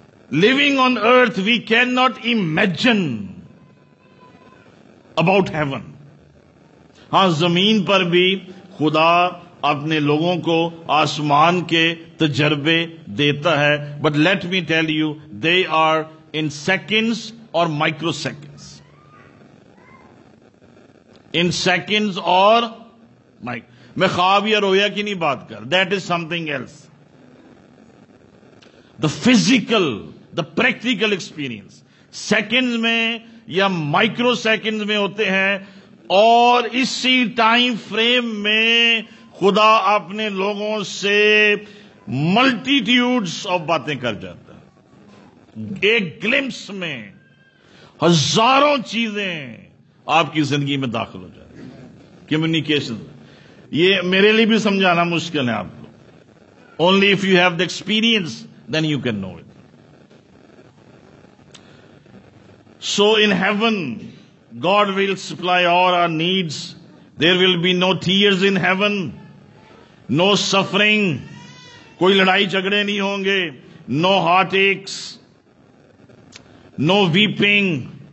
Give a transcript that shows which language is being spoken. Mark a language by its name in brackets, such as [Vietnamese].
[English] Living on earth we can not imagine about heaven. [Urdu] ہاں زمین پر بھی خدا اپنے لوگوں کو آسمان کے تجربے دیتا ہے, [English] but let me tell you they are in seconds or microseconds. In seconds or microseconds. [Urdu] میں خواب یا رویا کی نہیں بات کر, [English] that is something else. The physical, the practical experience. [Urdu] Seconds میں یا مائکرو سیکنڈ میں ہوتے ہیں, اور اسی ٹائم فریم میں خدا اپنے لوگوں سے ملٹیٹیوڈز آف باتیں کر جاتا ہے. ایک گلمپس میں ہزاروں چیزیں آپ کی زندگی میں داخل ہو جاتی ہیں. کمیونیکیشن, یہ میرے لیے بھی سمجھانا مشکل ہے آپ کو. [English] Only if you have the experience then you can know it. So in heaven, God will supply all our needs. There will be no tears in heaven, no suffering, [Urdu] koi ladai jhagde nahi honge, [English] no heartaches, no weeping.